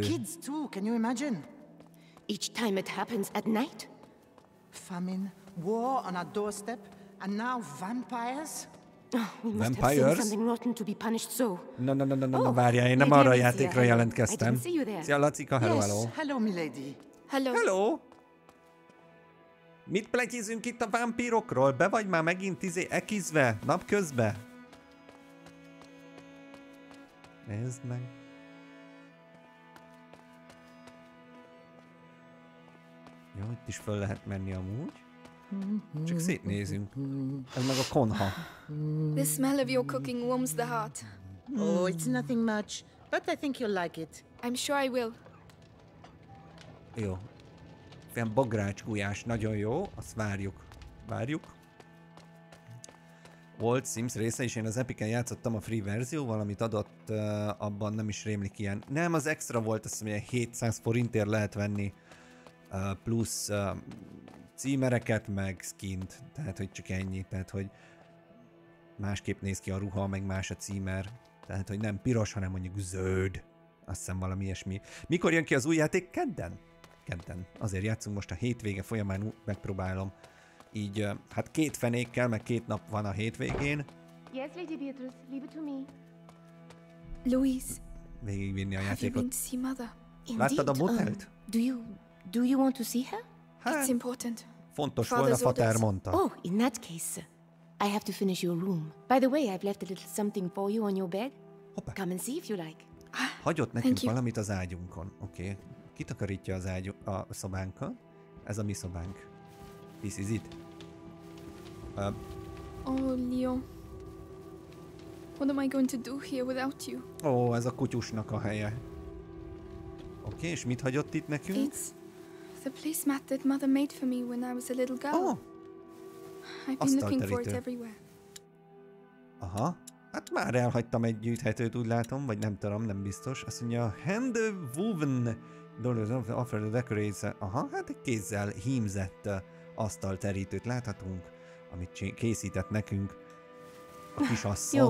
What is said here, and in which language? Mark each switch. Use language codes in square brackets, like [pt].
[en] Kids too, can you imagine? Each time it happens at night? Famine, war on our doorstep, and now vampires? Oh, we must have seen something rotten to be punished so. [hu] No, várjál, én nem arra a játékra jelentkeztem. Szia, Lacika, hello. [en] Yes, hello, milady. Hello. [hu] Mit pletyizünk itt a vámpírokról? Be vagy már megint izé ekizve, napközbe? Nézd meg. Jó, itt is föl lehet menni amúgy. Csak szétnézünk. Ez meg a konha. [en] The smell of your cooking warms the heart. Oh, it's nothing much, but I think you'll like it. I'm sure I will. [hu] Jó. Ilyen bogrács gulyás, nagyon jó. Azt várjuk. Várjuk. Volt Sims része is, én az Epic-en játszottam a free verzióval, amit adott, abban nem is rémlik ilyen. Nem, az extra volt, azt mondja, 700 forintért lehet venni. Plusz címereket, meg skint, tehát hogy csak ennyi, tehát hogy másképp néz ki a ruha, meg más a címer, tehát hogy nem piros, hanem mondjuk zöld, azt hiszem valami ilyesmi. Mikor jön ki az új játék? Kedden? Kedden. Azért játszunk most a hétvége folyamán, megpróbálom így, hát két fenékkel, meg két nap van a hétvégén. [en] Yes, Lady Beatrice, leave it to me. Louise, [hu] végigvinni a játékot. [en] Have you been to see mother? Indeed, [hu] láttad a motelt? [en] Do you want to see her? It's important. [hu] Fontos volt, a fater mondta. [en] Oh, in that case, I have to finish your room. By the way, I've left a little something for you on your bed. [hu] Hoppa. [en] Come and see if you like. [hu] Hagyott nekünk valamit az ágyunkon. Oké. Okay. Kitakarítja az ágy a szobánkat. Ez a mi szobánk. [en] This is it. Oh, Leo. What am I going to do here without you? [hu] Oh, ez a kutyusnak a helye. Oké, okay, és mit hagyott itt nekünk? [en] It's the placemat that mother made for me when I was a little girl. Oh. I've been looking for it everywhere. [hu] Aha, hát már elhagytam egy gyűjthetőt, úgy látom, vagy nem tudom, nem biztos. Azt mondja, [en] hand woven dollars offer the decorates. [hu] Aha, hát egy kézzel hímzett asztalterítőt láthatunk, amit készített nekünk a kisasszon.